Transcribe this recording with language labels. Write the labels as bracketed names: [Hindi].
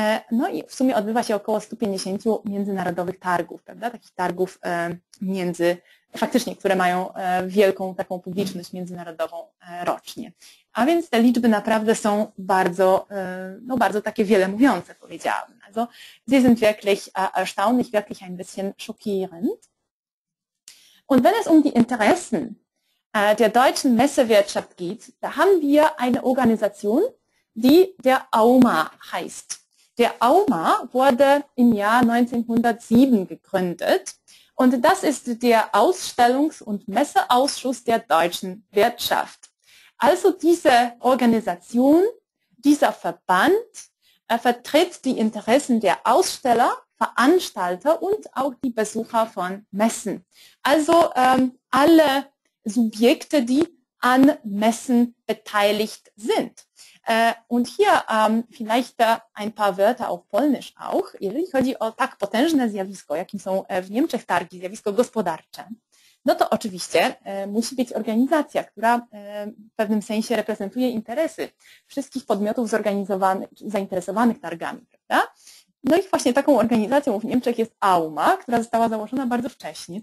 [Polish] No i w sumie odbywa się około 150 międzynarodowych targów, prawda, takich targów między, faktycznie, które mają wielką taką publiczność międzynarodową rocznie. A więc te liczby naprawdę są bardzo, no bardzo takie wiele mówiące, powiedziałabym. [German] Also, sie sind wirklich erstaunlich, wirklich ein bisschen schockierend. Und wenn es um die Interessen der deutschen Messewirtschaft geht, da haben wir eine Organisation, die der AUMA heißt. Der AUMA wurde im Jahr 1907 gegründet und das ist der Ausstellungs- und Messeausschuss der deutschen Wirtschaft. Also diese Organisation, dieser Verband, vertritt die Interessen der Aussteller, Veranstalter und auch die Besucher von Messen. Also alle Subjekte, die an Messen beteiligt sind. Und hier vielleicht ein paar Wörter auf Polnisch auch. [Polish] Jeżeli chodzi o tak potężne zjawisko, jakim są w Niemczech targi, zjawisko gospodarcze, no to oczywiście musi być organizacja, która w pewnym sensie reprezentuje interesy wszystkich podmiotów zainteresowanych targami, prawda? No i właśnie taką organizacją w Niemczech jest AUMA, która została założona bardzo wcześnie.